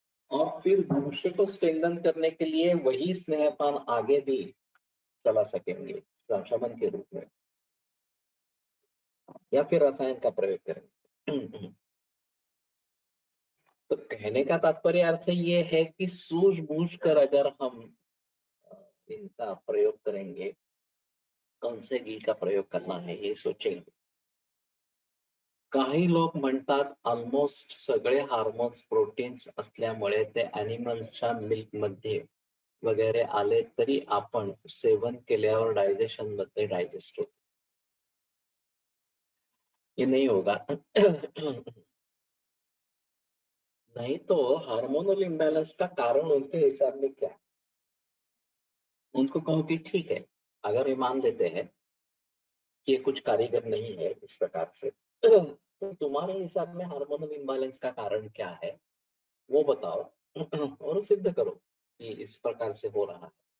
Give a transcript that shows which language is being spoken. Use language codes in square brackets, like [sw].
[hi] और फिर दूसरे को स्ट्रेंथन करने के लिए वही स्नेहपान आगे भी चला सकेंगे शमन के रूप में, या फिर रसायन का प्रयोग करेंगे। तो कहने का तात्पर्य अर्थ ये है कि सूझबूझ कर अगर हम इनका प्रयोग करेंगे, कौन से घी का प्रयोग करना है ये सोचेंगे। [mr] काही लोक म्हणतात ऑलमोस्ट सगळे हार्मोन्स प्रोटीन्स असल्यामुळे ते ॲनिमल्सच्या मिल्क मध्ये वगैरे आले तरी आपण सेवन केल्यावर डायजेशन मध्ये डायजेस्ट होत, [hi] ये नहीं होगा। नहीं तो हार्मोनल इम्बैलेंस का कारण उनके हिसाब में क्या, उनको कहो कि ठीक है अगर ये मान लेते हैं कि ये कुछ कारीगर नहीं है इस प्रकार से, तो तुम्हारे हिसाब में हार्मोनल इम्बैलेंस का कारण क्या है वो बताओ और सिद्ध करो कि इस प्रकार से हो रहा है।